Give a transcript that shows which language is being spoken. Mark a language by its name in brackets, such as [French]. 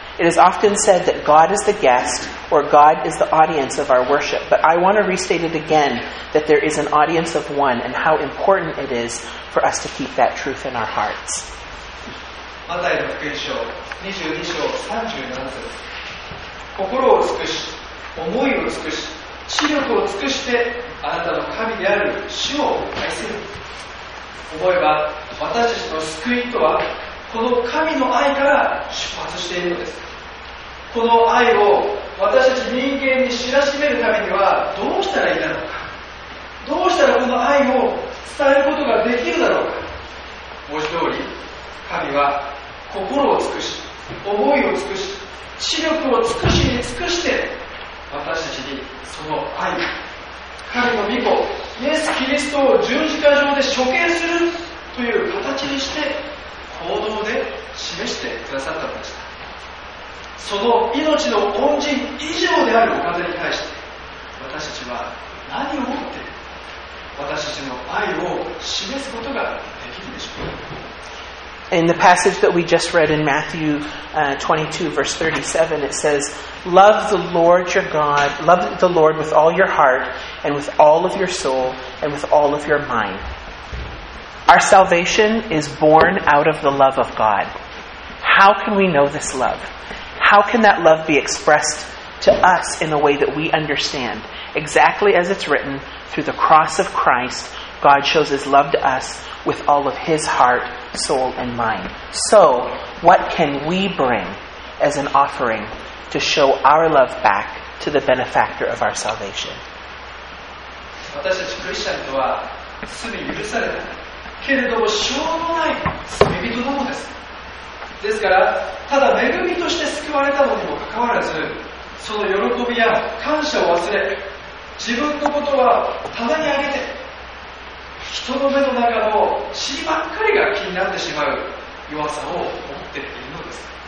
[English] It is often said that God is the guest or God is the audience of our worship, but I want to restate it again that there is an audience of one and how important it is for us to keep that truth in our hearts. [Japanese] マタイの福音書22章37節、心を尽くし、思いを尽くし、知力を尽くしてあなたの神である主を愛せる。思えば私たちの救いとはこの神の愛から出発しているのです。この愛を私たち人間に知らしめるためにはどうしたらいいだろうか、どうしたらこの愛を伝えることができるだろうか。文字通り神は心を尽くし、思いを尽くし、知力を尽くしに尽くして私たちにその愛、神の御子イエス・キリストを十字架上で処刑するという形にして行動で示してくださったのでした。その命の恩人以上であるお方に対して私たちは何をもって私たちの愛を示すことができるでしょうか。 [English] In the passage that we just read in Matthew 22 verse 37, it says, Love the Lord your God, love the Lord with all your heart and with all of your soul and with all of your mind. Our salvation is born out of the love of God. How can we know this love? How can that love be expressed to us in a way that we understand? Exactly as it's written, through the cross of Christ, God shows his love to us with all of his heart, soul, and mind. So, what can we bring as an offering to show our love back to the benefactor of our salvation? [Japanese] 私たちクリスチャンとは罪許されたけれども、しょうもない罪人なのです。ですから、ただ恵みとして救われたのにもかかわらず、その喜びや感謝を忘れ、自分のことは棚にあげて、人の目の中の血ばっかりが気になってしまう弱さを持っているのです。